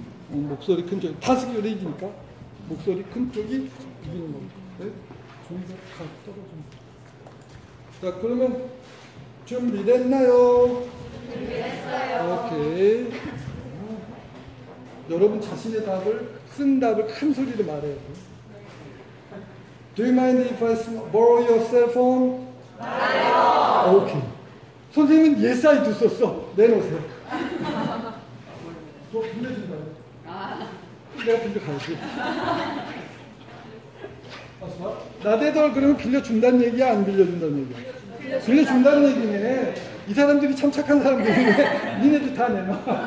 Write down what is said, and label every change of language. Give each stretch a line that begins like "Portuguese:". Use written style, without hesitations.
Korean: 목소리 큰 쪽이 다섯 개로 이기니까 목소리 큰 쪽이 이기는 겁니다. 네? 좀 더 다 떨어집니다. 자, 그러면 준비됐나요? 준비했어요. 오케이. 여러분 자신의 답을 쓴 답을 큰 소리로 말해요.
English: Do you mind if I borrow your cell phone?
Korean: 아니요. 오케이. 선생님은
English: yes I do
Korean: 썼어. 내놓으세요. 너 빌려준다. 내가 빌려가야지. 나대덜 그러면 빌려준다는 얘기야 안 빌려준다는 얘기야? 빌려준다는 얘기네. 이 사람들이 참 착한 사람들이네. 니네들 다 내놔.